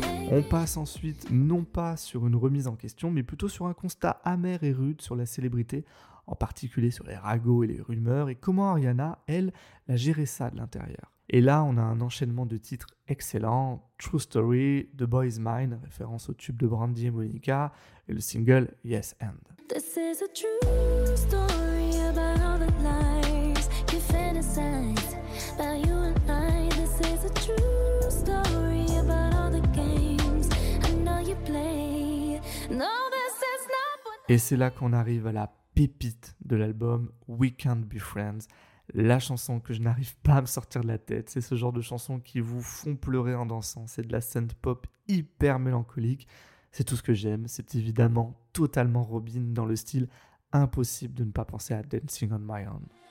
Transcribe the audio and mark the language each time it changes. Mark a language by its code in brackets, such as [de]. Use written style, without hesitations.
[fr] On passe ensuite non pas sur une remise en question, mais plutôt sur un constat amer et rude sur la célébrité, en particulier sur les ragots et les rumeurs, et comment Ariana, elle, a géré ça de l'intérieur. Et là, on a un enchaînement de titres excellents, True Story, The Boy's Mine, référence au tube de Brandy et Monica, et le single Yes And. [en] This is a true story about all the lies you fantasize about you and I. This is a true story about all the games I know you play. No, this is not what... [fr] Et c'est là qu'on arrive à la pépite de l'album We Can't Be Friends. La chanson que je n'arrive pas à me sortir de la tête, c'est ce genre de chanson qui vous font pleurer en dansant. C'est de la synth pop hyper mélancolique. C'est tout ce que j'aime. C'est évidemment totalement Robin dans le style impossible de ne pas penser à Dancing on My Own.